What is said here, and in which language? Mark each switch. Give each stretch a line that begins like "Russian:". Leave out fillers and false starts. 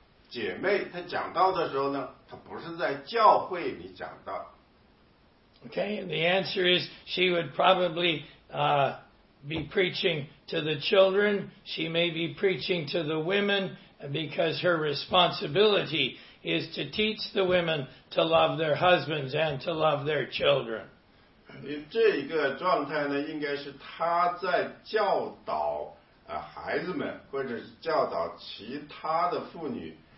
Chinese: 姐妹她讲道的时候呢，她不是在教会里讲道。
English: Okay, and the answer is she would probably be preaching to the children. She may be preaching to the women because her responsibility is to teach the women to love their husbands and to love their children.
Chinese: 这个状态呢，应该是她在教导 孩子们，或者是教导其他的妇女。